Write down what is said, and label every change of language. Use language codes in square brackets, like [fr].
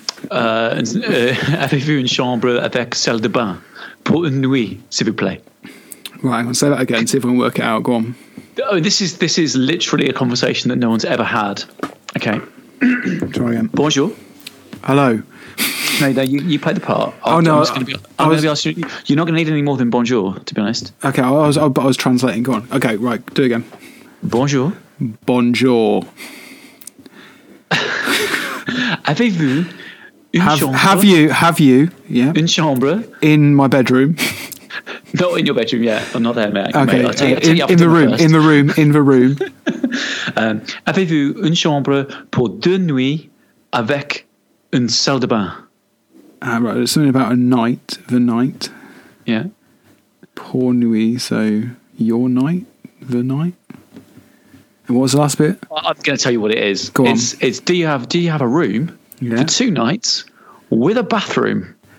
[fr] Avez-vous une chambre avec salle de bain pour une nuit, s'il vous plaît? [en] Right, I'm going to say that again, see if I can work it out. Go on. Oh, this is literally a conversation that no one's ever had. Okay. Try again. [fr] Bonjour. [en] Hello. No, you play the part. You're not going to need any more than bonjour, to be honest. Okay, I was translating. Go on. Okay, right, do it again. [fr] Bonjour. Bonjour. Avez-vous une chambre? [en] Have you, yeah. [fr] Une chambre? [en] In my bedroom. Not in your bedroom, yeah. I'm not there, mate. Okay, I'll tell you in the room. [fr] Avez-vous une chambre pour deux nuits avec une salle de bain? [en] Right, there's something about a night, the night. Yeah. [fr] Pour nuit, [en] so your night, the night. And what was the last bit? I'm going to tell you what it is. Go on. It's do you have a room for two nights with a bathroom?